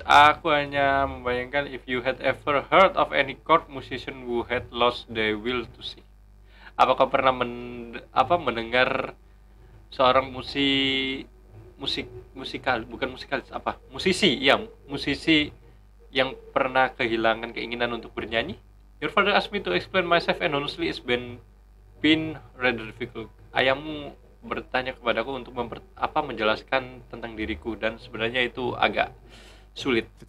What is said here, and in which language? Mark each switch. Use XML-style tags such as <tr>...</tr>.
<id>Aku hanya membayangkan</id> <en>if you had ever heard of any court musician who had lost their will to sing.</en> <id>Apa kau pernah mendengar seorang musisi yang pernah kehilangan keinginan untuk bernyanyi?</id> <en>Your father asked me to explain myself and honestly it's been rather difficult.</en> <id>Ayahmu bertanya kepadaku untuk menjelaskan tentang diriku dan sebenarnya itu agak sulit.</id>